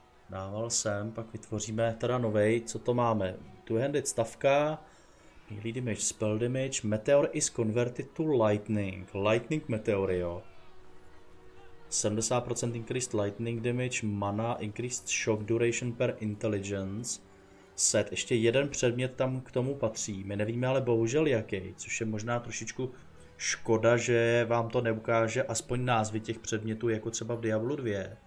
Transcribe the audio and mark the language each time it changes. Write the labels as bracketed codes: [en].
[cs] Dával jsem, pak vytvoříme teda novej, co to máme. [en] Two-handed stavka, melee damage, spell damage, meteor is converted to lightning. Lightning meteor, jo. 70% increased lightning damage, mana, increased shock duration per intelligence. [cs] Set, ještě jeden předmět tam k tomu patří. My nevíme ale bohužel jaký, což je možná trošičku škoda, že vám to neukáže aspoň názvy těch předmětů, jako třeba v Diablo 2.